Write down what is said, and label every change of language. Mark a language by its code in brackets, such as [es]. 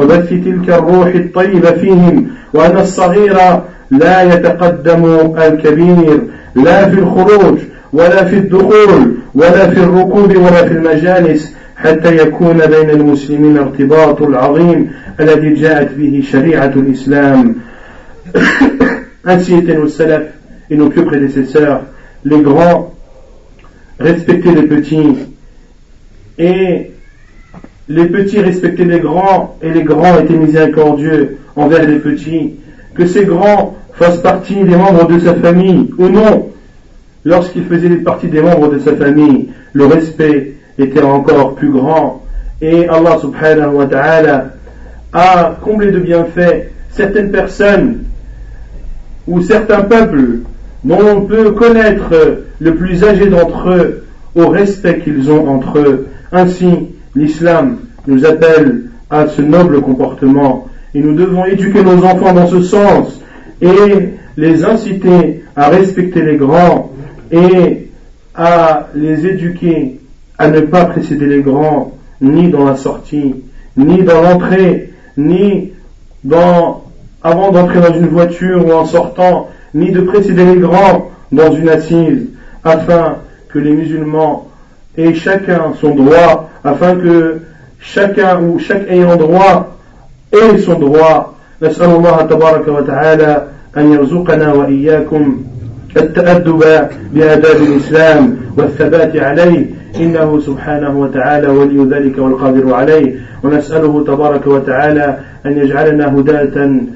[ar] تلك الروح الطيبة فيهم وأن الصغير لا يتقدم الكبير لا في الخروج ولا في الدخول ولا في الركوب ولا في المجالس حتى يكون بين المسلمين ارتباط العظيم الذي جاءت به شريعة الإسلام [fr] ainsi était nos salaf et nos plus prédécesseurs les grands respectaient les petits et les petits respectaient les grands et les grands étaient miséricordieux envers les petits. Que ces grands fassent partie des membres de sa famille ou non, lorsqu'ils faisaient partie des membres de sa famille, le respect était encore plus grand. Et Allah subhanahu wa ta'ala a comblé de bienfaits certaines personnes ou certains peuples dont on peut connaître le plus âgé d'entre eux au respect qu'ils ont entre eux. Ainsi, l'islam nous appelle à ce noble comportement et nous devons éduquer nos enfants dans ce sens et les inciter à respecter les grands et à les éduquer à ne pas précéder les grands ni dans la sortie, ni dans l'entrée, ni dans avant d'entrer dans une voiture ou en sortant, ni de précéder les grands dans une assise afin que les musulmans et chacun son droit, afin que chacun ou chaque ayant droit ait son droit. [ar] نسأل الله تبارك وتعالى أن يرزقنا وإياكم التأدب بآداب الإسلام والثبات عليه إنه سبحانه وتعالى ولي ذلك والقادر عليه ونسأله تبارك وتعالى أن يجعلنا هداة